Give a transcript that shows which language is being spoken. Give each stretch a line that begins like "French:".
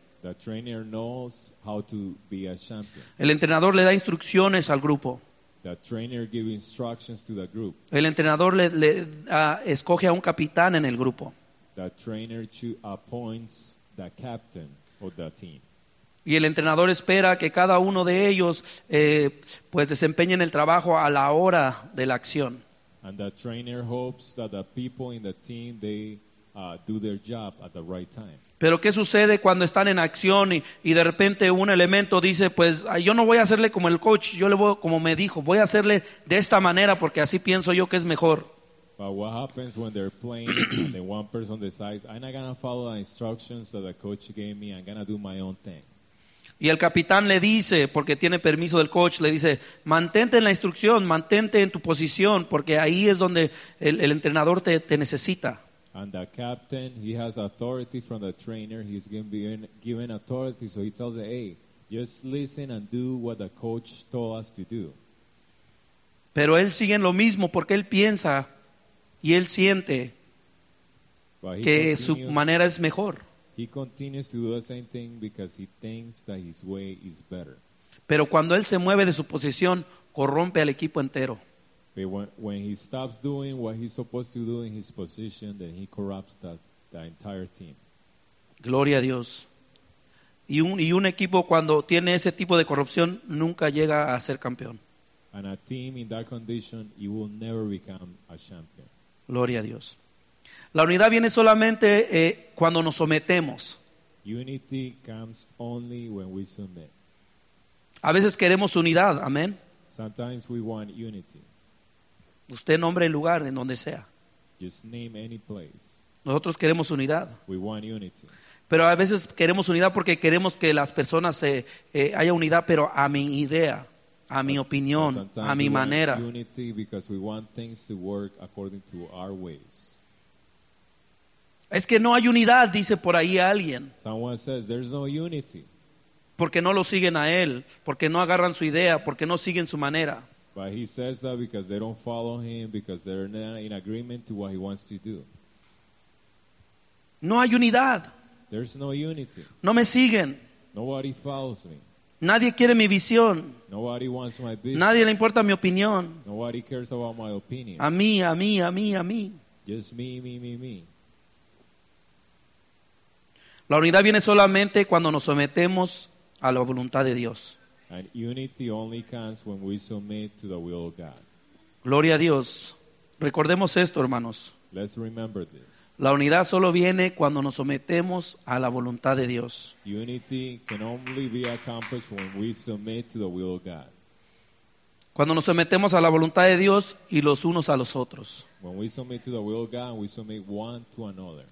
English: The trainer knows how to be a champion.
Spanish: El entrenador le da instrucciones al grupo.
English: The trainer gives instructions to the group.
Spanish: El entrenador le escoge a un capitán en el grupo.
English: The trainer appoints the captain of the team.
Spanish: Y el entrenador espera que cada uno de ellos pues desempeñen el trabajo a la hora de la acción.
English: And the trainer hopes that the people in the team they do their job at the right time.
Spanish: Pero ¿qué sucede cuando están en acción y de repente un elemento dice, pues yo no voy a hacerle como el coach, yo le voy como me dijo, voy a hacerle de esta manera porque así pienso yo que es mejor?
English: But what happens when they're playing and then one person decides, I'm not gonna follow the instructions that the coach gave me, I'm gonna do my own thing.
Spanish: Y el capitán le dice, porque tiene permiso del coach, le dice, mantente en la instrucción, mantente en tu posición, porque ahí es donde el entrenador te necesita.
English: And the captain, he has authority from the trainer. He's given authority, so he tells them, hey, just listen and do what the coach told us to do.
Spanish: Pero él sigue en lo mismo porque él piensa y él siente que su manera es mejor.
English: He continues to do the same thing because he thinks that his way is better.
Spanish: Pero cuando él se mueve de su posición, corrompe al equipo entero.
English: But when he stops doing what he's supposed to do in his position, then he corrupts the entire team.
Spanish: Gloria a Dios. Y un equipo cuando tiene ese tipo de corrupción nunca llega a ser campeón.
English: And a team in that condition, it will never become a champion.
Spanish: Gloria a Dios. La unidad viene solamente cuando nos sometemos.
English: Unity comes only when we submit.
Spanish: A veces queremos unidad, amén.
English: Sometimes we want unity.
Spanish: Usted nombre el lugar en donde sea.
English: Just name any place.
Spanish: Nosotros queremos unidad.
English: We want unity.
Spanish: Pero a veces queremos unidad porque queremos que las personas haya unidad, pero a mi idea, a mi opinión, a mi manera.
English: Unity because we want things to work according to our ways.
Spanish: Es que no hay unidad, dice por ahí alguien.
English: Someone says there's no unity.
Spanish: Porque no lo siguen a él, porque no agarran su idea, porque no siguen su manera.
English: But he says that because they don't follow him, because they're not in agreement to what he wants to do.
Spanish: No hay unidad.
English: There's no unity.
Spanish: No me siguen.
English: Nobody follows me.
Spanish: Nadie quiere mi visión.
English: Nobody wants my vision.
Spanish: Nadie le importa mi opinión.
English: Nobody cares about my opinion.
Spanish: A mí, a mí, a mí, a mí.
English: Just me, me, me, me.
Spanish: La unidad viene solamente cuando nos sometemos a la voluntad de Dios.
English: And unity only comes when we submit to the will of God.
Spanish: Gloria a Dios. Recordemos esto, hermanos.
English: Let's remember this.
Spanish: La unidad solo viene cuando nos sometemos a la voluntad de Dios.
English: Unity can only be accomplished when we submit to the will of God.
Spanish: Cuando nos sometemos a la voluntad de Dios y los unos a los otros.
English: When we submit to the will of God, we submit one to another.